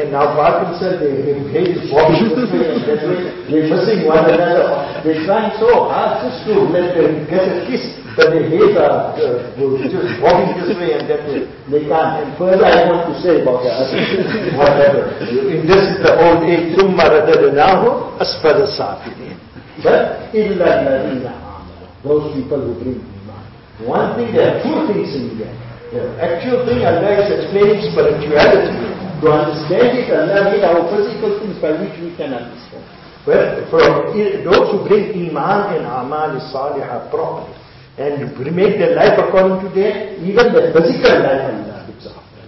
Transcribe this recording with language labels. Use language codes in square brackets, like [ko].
[en] And now Parkinson, they hate his body. They're missing one another. They're trying so hard just to let them get a kiss. But they hate just walking this way and that way. They can't. And further I want to say about that. Whatever. [ar] In this the old age, ثُمَّ رَدَدْنَاهُ أَسْفَلَ السَّافِلِينَ. But إِلَّا الَّذِينَ آمَنُوا. [en] Those people who bring iman. One thing, there are two things in there. The actual thing Allah is explaining spirituality. To understand it, Allah made our physical things by which we can understand. Well, from those who bring iman and amal salihah properly and make their life according to that, even the physical life Allah gives up.